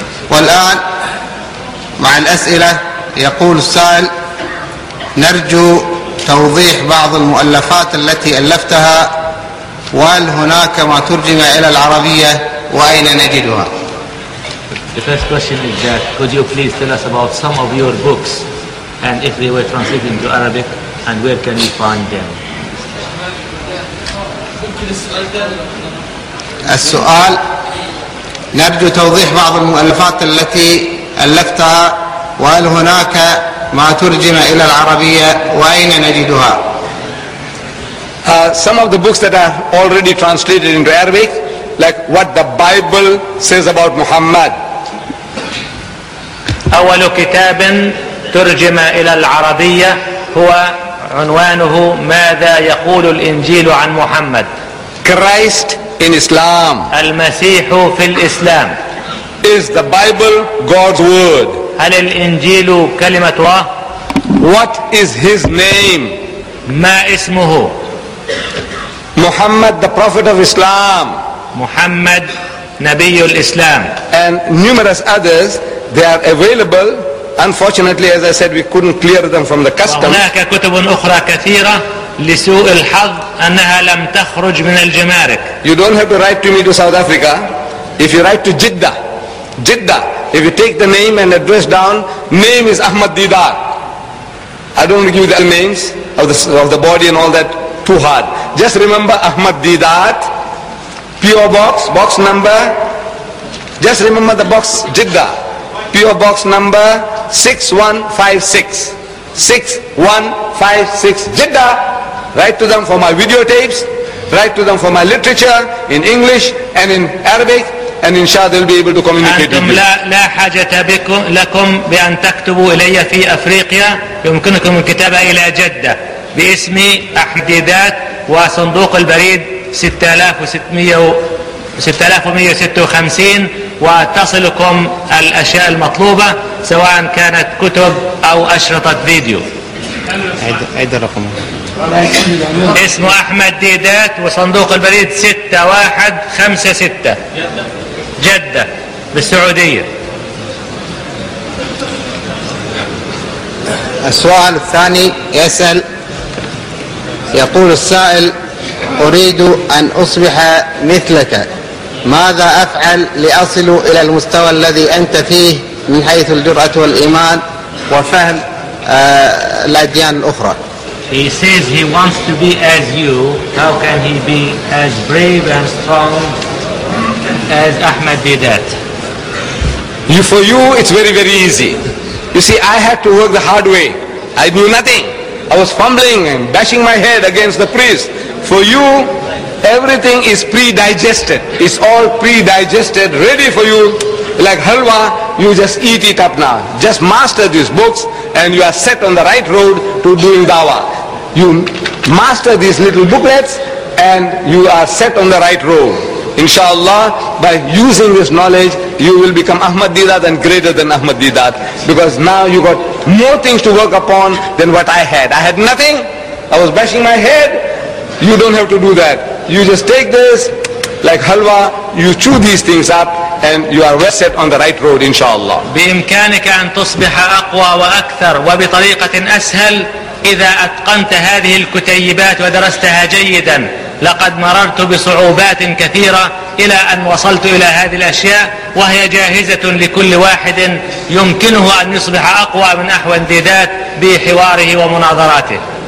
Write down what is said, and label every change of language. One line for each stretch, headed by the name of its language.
Arabic: والآن مع الأسئلة يقول السائل نرجو توضيح بعض المؤلفات التي ألفتها وهل هناك ما ترجم إلى العربية وأين نجدها.
English: The first question is that could you please tell us about some of your books and if they were translated into Arabic and where can we find them?
Arabic: السؤال نرجو توضيح بعض المؤلفات التي ألفتها وهل هناك ما ترجم إلى العربية وأين نجدها؟
English: Some of the books that are already translated into Arabic, like what the Bible says about Muhammad.
Arabic: أول كتاب ترجم إلى العربية هو عنوانه ماذا يقول الإنجيل عن محمد.
English: Christ in Islam.
Arabic: المسيح في الإسلام.
English: Is the Bible God's word?
Arabic: هل الإنجيل كلمة الله؟
English: What is his name?
Arabic: ما اسمه؟
English: Muhammad the prophet of Islam.
Arabic: محمد نبي الإسلام.
English: And numerous others. They are available. Unfortunately, as I said, we couldn't clear them from the customs. هناك كتب أخرى كثيرة لسوء الحظ أنها لم تخرج من الجمارك. You don't have to write to me to South Africa. If you write to Jeddah, Jeddah. If you take the name and address down, name is Ahmad Didar. I don't give you the names of the body and all that too hard. Just remember Ahmad Didat, P.O. Box, box number. Just remember the box, Jeddah, P.O. Box number 6156. 6156, Jeddah. Write to them for my videotapes. Write to them for my literature in English and in Arabic. And inshallah they'll be able to communicate with me.
Arabic: لا حاجة لكم بأن تكتبوا إلي في أفريقيا. يمكنكم الكتابة إلى جدة باسمي أحمد ديدات وصندوق البريد 6156 وتصلكم الأشياء المطلوبة سواء كانت كتب أو أشرطة فيديو. عيد الرقم. اسمه أحمد ديدات وصندوق البريد 6156 جدة بالسعودية. السؤال الثاني يسأل يقول السائل أريد أن أصبح مثلك ماذا أفعل لأصل إلى المستوى الذي أنت فيه من حيث الجرأة والإيمان وفهم الأديان الأخرى.
English: He says he wants to be as you. How can he be as brave and strong as Ahmad did that? You, for you, it's very, very easy. You see, I had to work the hard way. I knew nothing. I was fumbling and bashing my head against the priest. For you, everything is pre-digested. It's all pre-digested, ready for you. Like halwa, you just eat it up now. Just master these books and you are set on the right road to doing dawah. You master these little booklets and you are set on the right road. Inshallah, by using this knowledge, you will become Ahmad Didat and greater than Ahmad Didat. Because now you got more things to work upon than what I had. I had nothing. I was bashing my head. You don't have to do that. You just take this, like halwa, you chew these things up, and you are well set on the right road, inshallah.
Arabic: بإمكانك أن تصبح أقوى وأكثر وبطريقة أسهل إذا أتقنت هذه الكتيبات ودرستها جيدا. لقد مررت بصعوبات كثيرة إلى أن وصلت إلى هذه الأشياء وهي جاهزة لكل واحد يمكنه أن يصبح أقوى من أحوان ديدات بحواره ومناظراته.